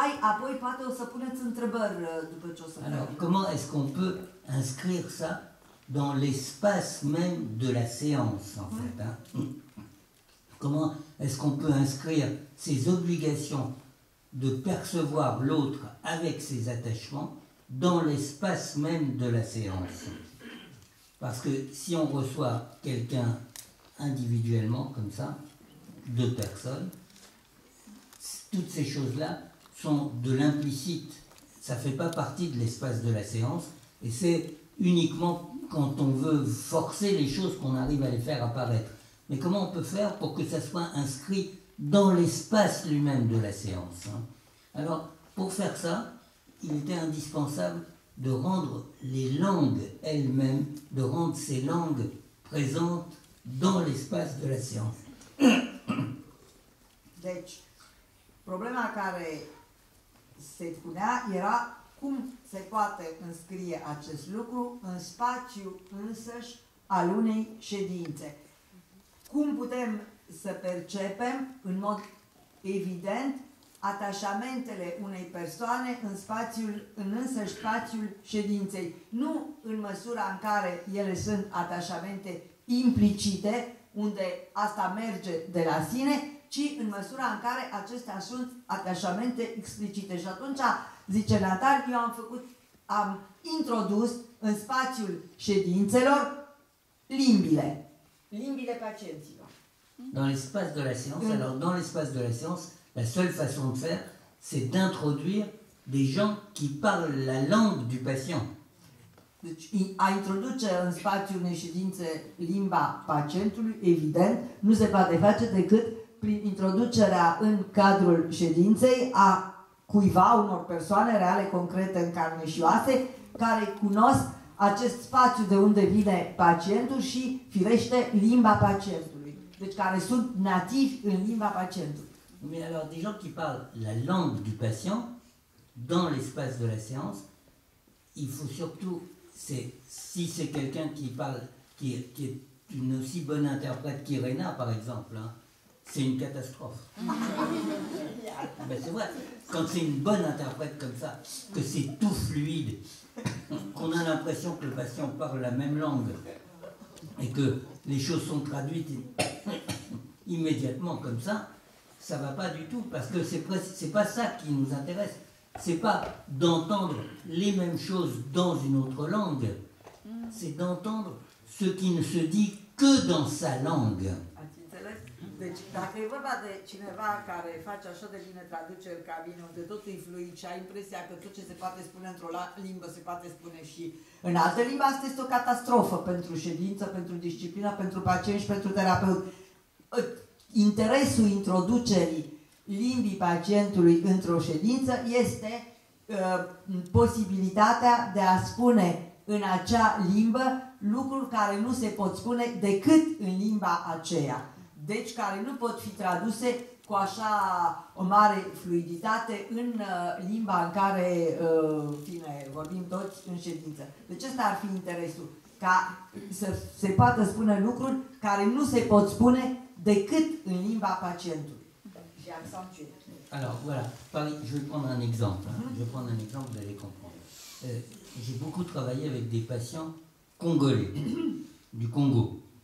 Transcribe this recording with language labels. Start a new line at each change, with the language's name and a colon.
Romanian: Apoi poate o să puneți întrebări după ce o să
French: Alors, fie. Comment est-ce qu'on peut inscrire ça dans l'espace même de la séance, en fait, hein? Comment est-ce qu'on peut inscrire ces obligations de percevoir l'autre avec ses attachements dans l'espace même de la séance? Parce que si on reçoit quelqu'un individuellement, comme ça, deux personnes, toutes ces choses-là sont de l'implicite. Ça ne fait pas partie de l'espace de la séance. Et c'est uniquement quand on veut forcer les choses qu'on arrive à les faire apparaître. Mais comment on peut faire pour que ça soit inscrit dans l'espace lui-même de la séance, hein? Alors, pour faire ça, il était indispensable de rendre les langues elles-mêmes, de rendre ces langues présentes dans l'espace de la séance.
Romanian: Donc, problema care se punea era cum se poate înscrie acest lucru în spațiu însăși al unei ședințe. Cum putem să percepem în mod evident atașamentele unei persoane în spațiul, în însăși spațiul ședinței? Nu în măsura în care ele sunt atașamente implicite, unde asta merge de la sine, ci în măsura în care acestea sunt atașamente explicite. Și atunci, zice Natal, eu am introdus în spațiul ședințelor limbile. Limbile pacienților.
French: Dans l'espace de la séance, alors dans l'espace de la séance, la seule façon de faire, c'est d'introduire des gens qui parlent la langue du patient.
Romanian: Deci, a introduce în spațiul unei ședințe limba pacientului, evident, nu se poate face decât prin introducerea în cadrul ședinței a cuiva, unor persoane reale, concrete, în carne și oase, care cunosc acest spațiu de unde vine pacientul și, firește, limba pacientului. Deci care sunt nativi în limba pacientului.
French: Mais alors, des gens qui parlent la langue du patient dans l'espace de la séance, il faut surtout, si c'est quelqu'un qui parle, qui est une aussi bonne interprète qu'Irena, par exemple, hein, c'est une catastrophe. Ben c'est vrai, quand c'est une bonne interprète comme ça, que c'est tout fluide, qu'on a l'impression que le patient parle la même langue et que les choses sont traduites immédiatement comme ça, ça ne va pas du tout, parce que c'est pas ça qui nous intéresse. C'est pas d'entendre les mêmes choses dans une autre langue, c'est d'entendre ce qui ne se dit que dans sa langue.
Romanian: Deci, dacă e vorba de cineva care face așa de bine traduceri ca vine, unde tot e fluid și ai impresia că tot ce se poate spune într-o limbă se poate spune și în altă limbă, asta este o catastrofă pentru ședință, pentru disciplină, pentru pacient și pentru terapeut. Interesul introducerii limbii pacientului într-o ședință este posibilitatea de a spune în acea limbă lucruri care nu se pot spune decât în limba aceea. Deci care nu pot fi traduse cu așa o mare fluiditate în limba în care vorbim toți în ședință. Deci ăsta ar fi interesul, ca să se poată spune lucruri care nu se pot spune decât în limba pacientului.
French: Alors voilà, je vais prendre un exemple, hein. Je vais prendre un exemple, vous allez comprendre. J'ai beaucoup travaillé avec des patients congolais, du Congo.